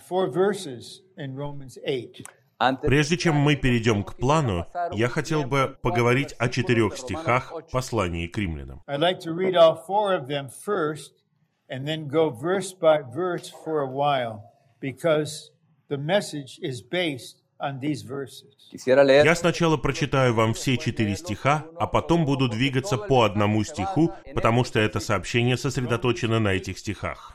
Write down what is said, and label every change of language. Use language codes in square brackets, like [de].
[ru] Прежде чем мы перейдем к плану, я хотел бы поговорить о четырех стихах послания к римлянам. Я хотел бы прочитать все четыре из них сначала, а потом пройти стих по стиху на время. [en] Because the message is based on these verses. [ru] Я сначала прочитаю вам все четыре стиха, а потом буду двигаться по одному стиху, потому что это сообщение сосредоточено на этих стихах.